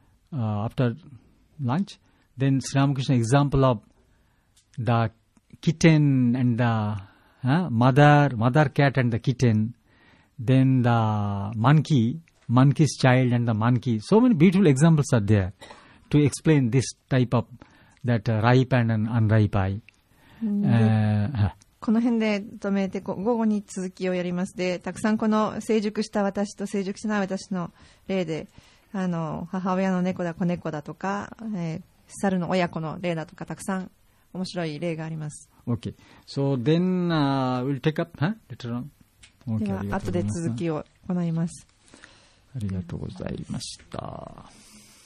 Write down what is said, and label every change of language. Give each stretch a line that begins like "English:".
English: After lunch, then Sri Ramakrishna example of the kitten and the mother cat and the kitten, then the monkey, monkey's child and the monkey. So many beautiful examples are there to explain this type of that ripe and an unripe eye.
Japanese: この辺で止めて午後に続きをやります。でたくさんこの成熟した私と成熟しない私の例で、あの母親の猫だ子猫だとか、猿の親子の例だとかたくさん面白い例があります。
English: OK So then we'll take up later on.
Japanese: では後で続きを行います。ありがとうございました。